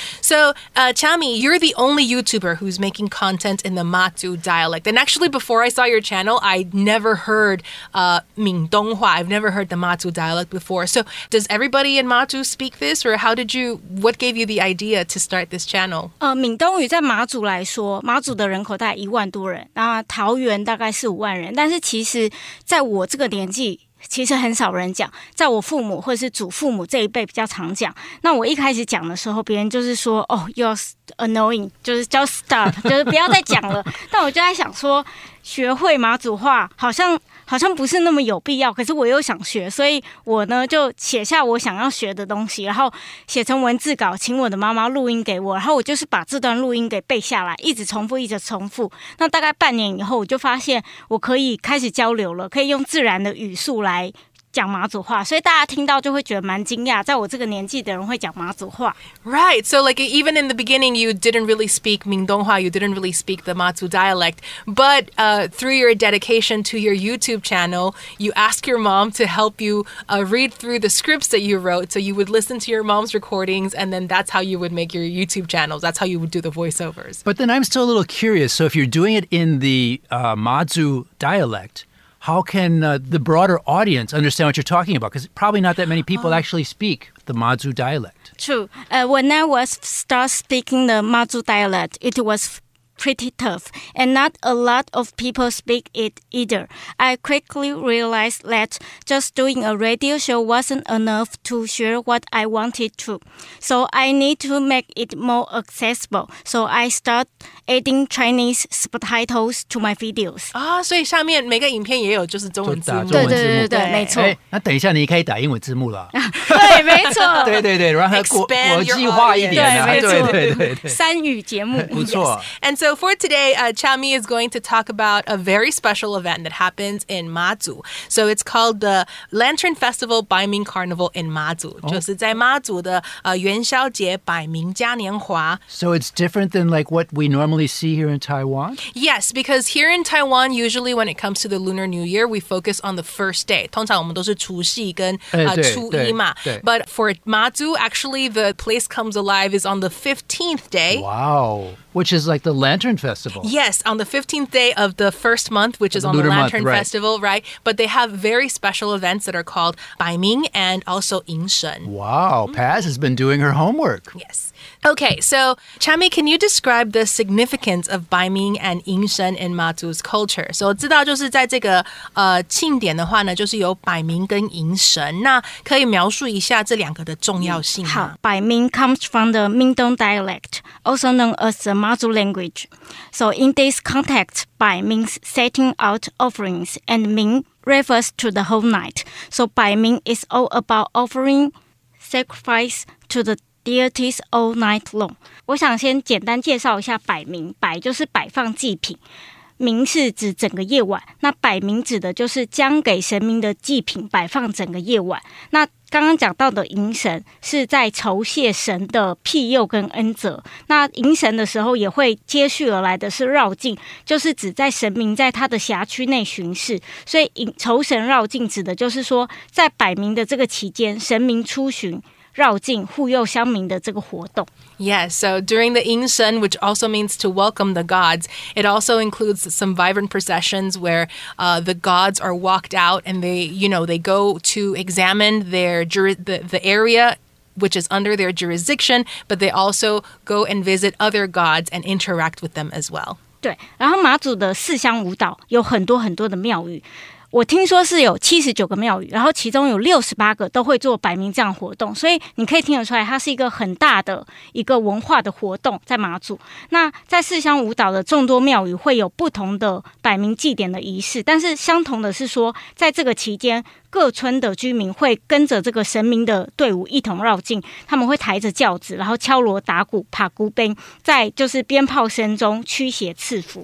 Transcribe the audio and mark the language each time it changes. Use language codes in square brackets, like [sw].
[en] So, Chami, you're the only YouTuber who's making content in the Matsu dialect. And actually, before I saw your channel, I never heard Mingdonghua. I've never heard the Matsu dialect before. So does everybody in Matsu speak this? Or how did you, what gave you the idea? Idea to start this channel. [zh] 闽东语在马祖来说，马祖的人口大概10000多人，那桃园大概45000人。但是其实，在我这个年纪，其实很少人讲，在我父母或是祖父母这一辈比较常讲。那我一开始讲的时候，别人就是说，哦、， [en] you're annoying， [zh] 就是 [en] just stop， [zh] 就是不要再讲了。但我就在想说，学会马祖话好像不是那么有必要，可是我又想学，所以我呢就写下我想要学的东西，然后写成文字稿，请我的妈妈录音给我，然后我就是把这段录音给背下来，一直重复，一直重复。那大概半年以后，我就发现我可以开始交流了，可以用自然的语速来讲马祖话，所以大家听到就会觉得蛮惊讶，在我这个年纪的人会讲马祖话。 [en] Right, so like even in the beginning, you didn't really speak Mingdonghua, you didn't really speak the Matsu dialect, but through your dedication to your YouTube channel, you ask your mom to help you read through the scripts that you wrote, so you would listen to your mom's recordings, and then that's how you would make your YouTube channels, that's how you would do the voiceovers. But then I'm still a little curious, so if you're doing it in the Matsu dialect, how can the broader audience understand what you're talking about? Because probably not that many people actually speak the Matsu dialect. True. When I was start speaking the Matsu dialect, it was pretty tough, and not a lot of people speak it either. I quickly realized that just doing a radio show wasn't enough to share what I wanted to. So I need to make it more accessible. So I start adding Chinese subtitles to my videos. Ah, so [zh] 下面每个影片也有就是中文字幕。对，没错。那等一下，你可以打英文字幕了。对，没错。对，然后国际化一点。对，没错。三语节目。不错。 [en] And so for today, Chami is going to talk about a very special event that happens in Matsu. So it's called the Lantern Festival Baiming Carnival in Matsu. Oh. [zh] 就是在 Matsu 的元宵节摆明嘉年华。 [en] So it's different than like what we normally see here in Taiwan? Yes, because here in Taiwan, usually when it comes to the Lunar New Year, we focus on the first day. [zh] 通常我们都是除夕跟初一嘛。 [en] But for Matsu, actually the place comes alive is on the 15th day. Wow. Which is like the Lantern Festival. Yes, on the 15th day of the first month, which is on the Lantern month, Festival, right? But they have very special events that are called 摆明 and also 迎神. Wow, Paz has been doing her homework. Yes. Okay, so Chami, can you describe the significance of 摆明 and 迎神 in Matsu's culture? [zh] So 知道就是在这个庆典的话呢，就是有摆明跟迎神。那可以描述一下这两个的重要性吗？ [en] 好，摆明 comes from the Mingdong dialect, also known as the Matsu language. So in this context, 摆明 setting out offerings, and 明 refers to the whole night. So 摆明 is all about offering sacrifice to the deities all night long. [zh] 我想先简单介绍一下摆明，摆就是摆放祭品，明是指整个夜晚，那摆明指的就是将给神明的祭品摆放整个夜晚。那刚刚讲到的迎神是在酬谢神的庇佑跟恩泽，那迎神的时候也会接续而来的是绕境，就是指在神明在他的辖区内巡视，所以酬神绕境指的就是说在摆明的这个期间神明出巡绕境护佑乡民的这个活动。 [en] Yes, so during the 迎神, which also means to welcome the gods, it also includes some vibrant processions where the gods are walked out and they, you know, they go to examine the area which is under their jurisdiction, but they also go and visit other gods and interact with them as well. [zh] 对，然后马祖的四乡五岛有很多很多的庙宇。我听说是有79个庙宇，然后其中有68个都会做摆明这样活动，所以你可以听得出来它是一个很大的一个文化的活动在马祖。那在四乡五岛的众多庙宇会有不同的摆明祭典的仪式，但是相同的是说在这个期间各村的居民会跟着这个神明的队伍一同绕境，他们会抬着轿子，然后敲锣打鼓，爬孤鞭，在就是鞭炮声中驱邪赐福。